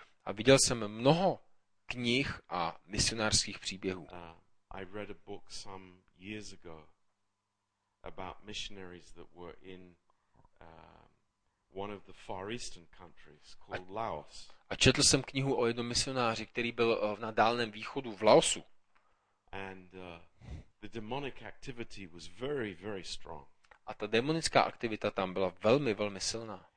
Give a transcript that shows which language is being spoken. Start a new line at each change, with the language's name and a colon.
Czech: A viděl jsem mnoho knih a misionářských příběhů.
English: I read a book some years ago about missionaries that were in one of the far eastern countries called Laos.
Czech: A četl jsem knihu o jednom misionáři, který byl na dálném východu v Laosu.
English: And the demonic activity was very, very strong.
Czech: A ta demonická aktivita tam byla velmi, velmi silná.